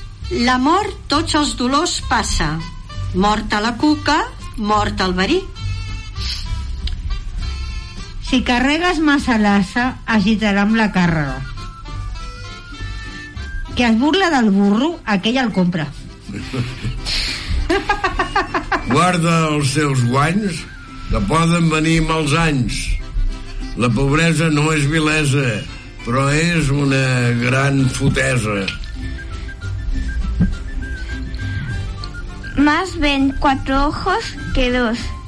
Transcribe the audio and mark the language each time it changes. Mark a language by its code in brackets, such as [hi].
[ca] L'amor tots els dolors passa. Morta la cuca, mort el verí. Si carregues massa l'assa, agitarà amb la càrrega. que es burla del burro, aquell el compra. Guarda els seus guanys, que poden venir mals anys. La pobresa no és vilesa, però és una gran fotesa. [es] Más ven cuatro ojos que dos.